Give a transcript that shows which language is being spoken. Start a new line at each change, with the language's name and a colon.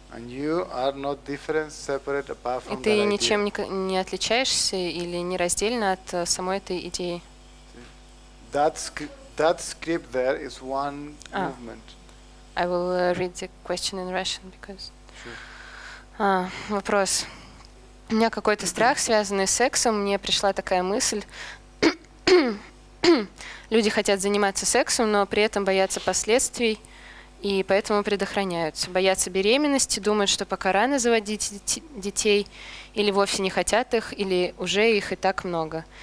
English: And you are not different, separate, apart from
Russian: и ты
English: that
Russian: ничем
English: idea.
Russian: Не отличаешься или не раздельно от самой этой идеи.
English: That script there is one movement. I will read the question in Russian because. Sure.
Russian: Вопрос. У меня какой-то страх, связанный с сексом. Мне пришла такая мысль. Люди хотят заниматься сексом, но при этом боятся последствий, и поэтому предохраняются. Боятся беременности, думают, что пока рано заводить детей, или вовсе не хотят их, или уже их и так много.